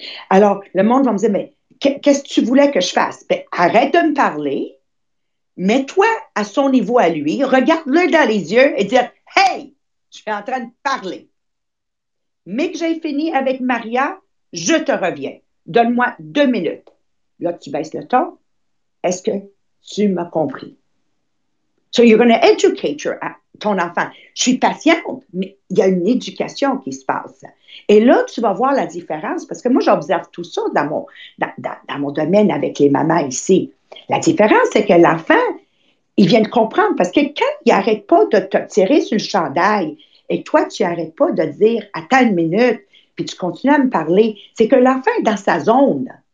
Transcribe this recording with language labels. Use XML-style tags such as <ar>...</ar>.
<fr>Alors, le monde va me dire, mais qu'est-ce que tu voulais que je fasse? Ben, arrête de me parler, mets-toi à son niveau à lui, regarde-le dans les yeux et dire, hey, je suis en train de parler. Mais que j'ai fini avec Maria, je te reviens. Donne-moi 2 minutes. Là, tu baisses le ton. Est-ce que tu m'as compris?</fr> <en>So, you're going to educate</en> <fr>ton enfant. Je suis patiente, mais il y a une éducation qui se passe. Et là, tu vas voir la différence, parce que moi, j'observe tout ça dans mon domaine avec les mamans ici. La différence, c'est que l'enfant, il vient de comprendre, parce que quand il n'arrête pas de te tirer sur le chandail, et toi, tu n'arrêtes pas de dire « Attends une minute », puis tu continues à me parler, c'est que l'enfant est dans sa zone.</fr>